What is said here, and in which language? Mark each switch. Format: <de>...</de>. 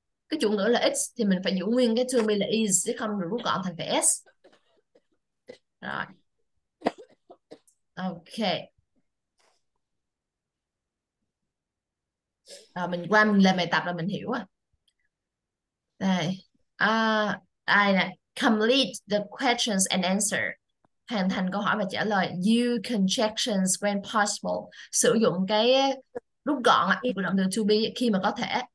<vi>Cái chủ ngữ là is thì mình phải giữ nguyên cái to be là is chứ không được rút gọn thành phải s. Rồi. Ok. Rồi mình qua mình làm bài tập là mình hiểu à. Đây. À, ai này.</vi> <en>Complete the questions and answer.</en> <vi>Hoàn thành câu hỏi và trả lời.</vi> <en>Use conjunctions when possible.</en> <vi>Sử dụng cái rút gọn ạ. Của động từ to be khi mà có thể.</vi>